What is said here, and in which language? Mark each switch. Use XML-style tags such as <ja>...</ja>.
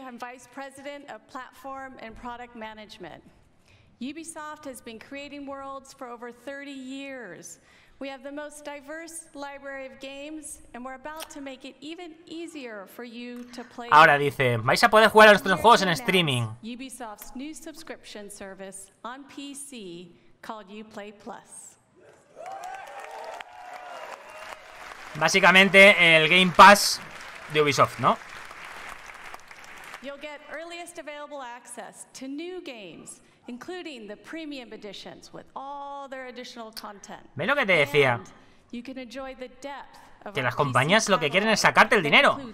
<en>I'm Vice President of Platform and Product Management. Ubisoft has been creating worlds for over 30 years. We have the most diverse library of games, and we're about to make it even easier for you to play.</en> <es>Ahora dice, vais a poder jugar a nuestros juegos en streaming.</es> <en>Ubisoft's new subscription service on PC called Uplay Plus.</en> <es>Básicamente el Game Pass de Ubisoft, ¿no?</es> <en>You'll get earliest available access to new games, including the premium editions with all their additional content.</en> <es>¿Ves lo que te decía?</es> <en>You can enjoy the depth of</en> <es>que las compañías lo que quieren es sacarte el dinero.</es>